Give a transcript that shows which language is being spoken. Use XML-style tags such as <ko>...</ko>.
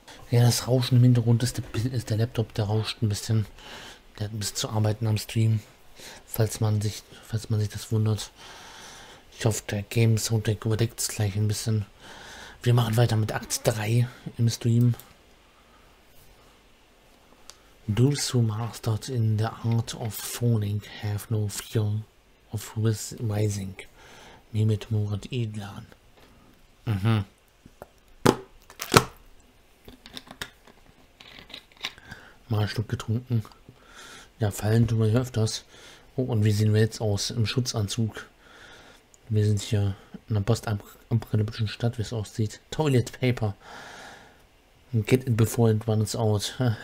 <de>Ja, das Rauschen im Hintergrund ist der Laptop, der rauscht ein bisschen. Der hat ein bisschen zu arbeiten am Stream. Falls man sich das wundert. Ich hoffe, der Game-Soundtrack überdeckt es gleich ein bisschen. Wir machen weiter mit Akt 3 im Stream.</de> <en>Those who mastered in the art of falling have no fear of rising.</en> <de>Mehmet Murat Edlan. Mal einen Schluck getrunken. Ja, fallen tun wir hier öfters. Oh, und wie sehen wir jetzt aus? Im Schutzanzug. Wir sind hier in einer postapokalyptischen Stadt, wie es aussieht.</de> <en>Toilet Paper. Get it before it runs out.</en>